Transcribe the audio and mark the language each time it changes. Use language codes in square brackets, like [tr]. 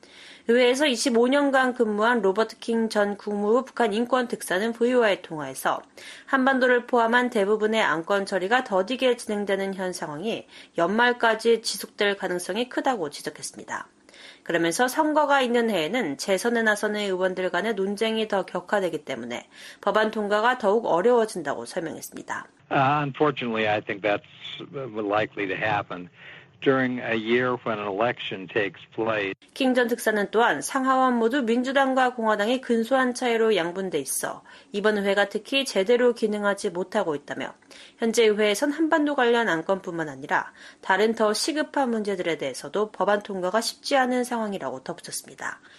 [ko] 의회에서 25년간 근무한 로버트 킹 전 국무부 북한 인권 특사는 VOA 통화에서 한반도를 포함한 대부분의 안건 처리가 더디게 진행되는 현 상황이 연말까지 지속될 가능성이 크다고 지적했습니다. 그러면서 선거가 있는 해에는 재선에 나서는 의원들 간의 논쟁이 더 격화되기 때문에 법안 통과가 더욱 어려워진다고 설명했습니다. [en] Unfortunately, I think that's likely to happen. During a year when an election takes place. [ko] 킹 전 특사는 또한 상하원 모두 민주당과 공화당이 근소한 차이로 양분돼 있어 이번 의회가 특히 제대로 기능하지 못하고 있다며 현재 의회에선 한반도 관련 안건뿐만 아니라 다른 더 시급한 문제들에 대해서도 법안 통과가 쉽지 않은 상황이라고 덧붙였습니다.